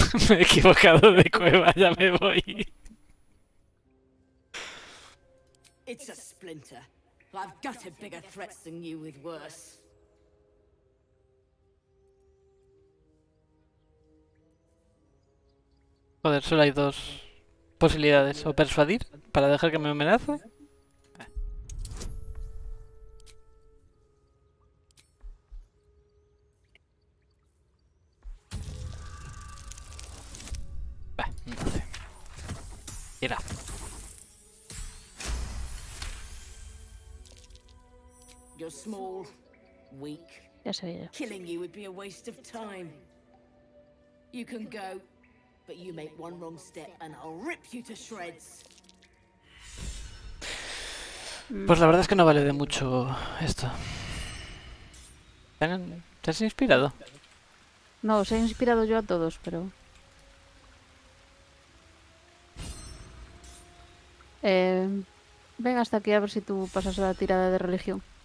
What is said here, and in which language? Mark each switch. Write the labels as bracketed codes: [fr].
[es] Me he equivocado de cueva, ya me voy. [en] It's a splinter. I've got a bigger threat than you with worse. [es] Joder, solo hay dos posibilidades. O persuadir para dejar que me amenace. Ah. Tira. [en] You're small, weak. [es] Ya sé yo. [en] Killing you would be a waste of time. You can go, but you make one wrong step and I'll rip you to shreds. [es] Pues la verdad es que no vale de mucho esto. ¿Te has inspirado? No, os he inspirado yo a todos, pero... Venga hasta aquí a ver si tú pasas la tirada de religión.